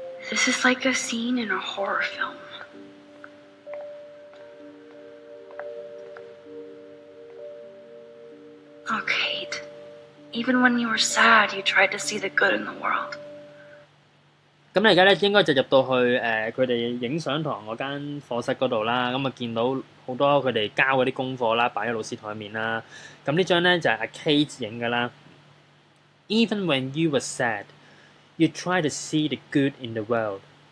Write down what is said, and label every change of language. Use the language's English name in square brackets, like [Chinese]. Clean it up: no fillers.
[English] This is like a scene in a horror film. Even when you were sad, you tried to see the good in the world. [Cantonese] 咁而家咧，應該就入到去佢哋影相堂嗰間課室嗰度啦。咁啊，見到好多佢哋交嗰啲功課啦，擺喺老師台面啦。咁呢張咧就係阿 Kate 影噶啦。 [English] Even when you were sad, you tried to see the good in the world.